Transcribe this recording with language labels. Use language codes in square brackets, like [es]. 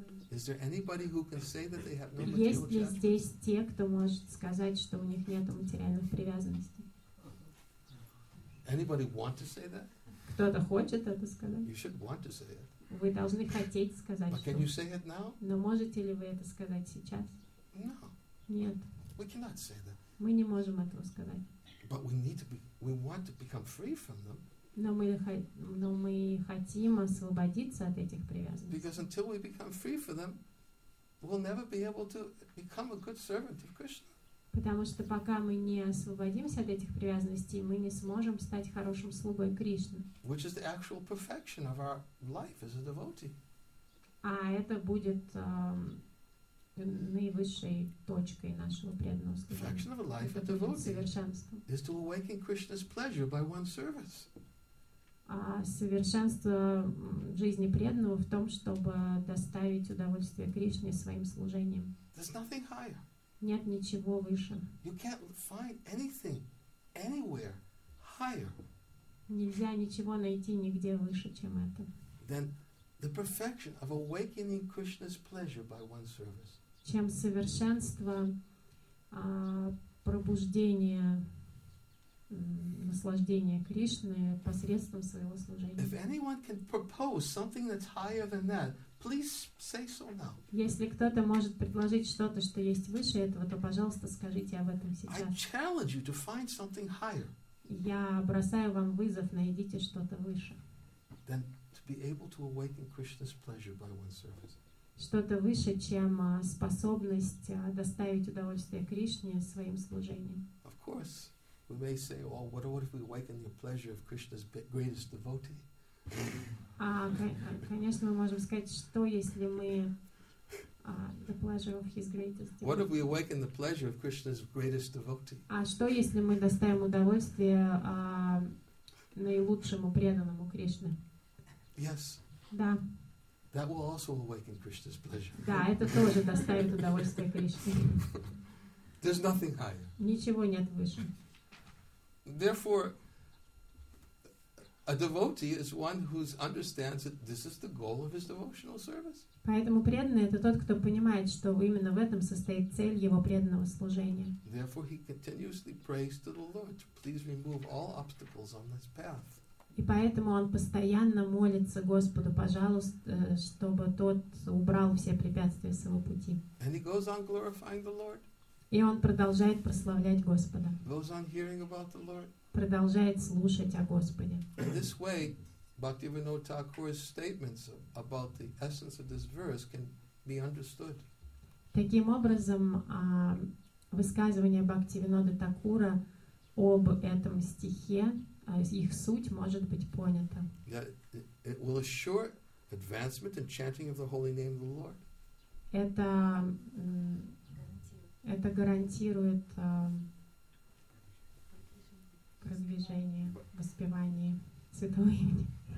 [en] Is there anybody who can say that they have no material attachments? [ru] Есть ли здесь те, кто может сказать, что у них нет материальных привязанностей? [en] Anybody want to say that? [ru] Кто-то хочет это сказать? [en] You should want to say it. [ru] Вы должны хотеть сказать. [en] But can you say it now? [ru] Но можете ли вы это сказать сейчас? [en] No. [ru] Нет. [en] We cannot say that. [ru] Мы не можем этого сказать. [en] But we need to be. We want to become free from them. [ru] Но мы хотим освободиться от этих привязанностей. [en] Because until we become free from them, we'll never be able to become a good servant of Krishna. [ru] Потому что пока мы не освободимся от этих привязанностей, мы не сможем стать хорошим слугой Кришны. [en] Which is the actual perfection of our life as a devotee. [ru] А это будет наивысшей точкой нашего преданного служения. [en] Perfection of a life as a devotee. [ru] Совершенство. [en] Is to awaken Krishna's pleasure by one's service. [ru] А совершенство жизни преданного в том, чтобы доставить удовольствие Кришне своим служением. [en] There's nothing higher. [ru] Нет ничего выше. [en] You can't find anything anywhere higher. [ru] Нельзя ничего найти нигде выше, чем это. [en] Then the perfection of awakening Krishna's pleasure by one service. [ru] Чем совершенство пробуждения наслаждения Кришны посредством своего служения. [en] If anyone can propose something that's higher than that, please say so now. [ru] Если кто-то может предложить что-то, что есть выше этого, то, пожалуйста, скажите об этом сейчас. [en] I challenge you to find something higher. [ru] Я бросаю вам вызов, найдите что-то выше. [en] Then to be able to awaken Krishna's pleasure by one service. [ru] Что-то выше, чем способность доставить удовольствие Кришне своим служением. [en] Of course, we may say, "Oh, what if we awaken the pleasure of Krishna's greatest devotee?" [ru] Конечно, мы можем сказать, что если мы [en] the pleasure of his greatest devotee. What if we awaken the pleasure of Krishna's greatest devotee? [ru] А что если мы доставим удовольствие наилучшему преданному Кришне? [en] Yes. [ru] Да. [en] That will also awaken Krishna's pleasure. [ru] Да, это тоже доставит удовольствие Кришне. [en] There's nothing higher. [ru] Ничего нет выше. [en] Therefore, a devotee is one who understands that this is the goal of his devotional service. [ru] Поэтому преданный — это тот, кто понимает, что именно в этом состоит цель его преданного служения. [en] Therefore, he continuously prays to the Lord to please remove all obstacles on this path. [ru] И поэтому он постоянно молится Господу, пожалуйста, чтобы тот убрал все препятствия с его пути. [en] And he goes on glorifying the Lord. [ru] И он продолжает прославлять Господа. [en] Goes on hearing about the Lord. [ru] Продолжает слушать о Господе. [en] In this way, Bhaktivinoda Thakur's statements about the essence of this verse can be understood. [ru] Таким образом, высказывание Бхактивинода Такура об этом стихе, их суть может быть понята. [en] It will assure advancement and chanting of the holy name of the Lord. [ru] Это гарантирует продвижение, воспевание святого имени.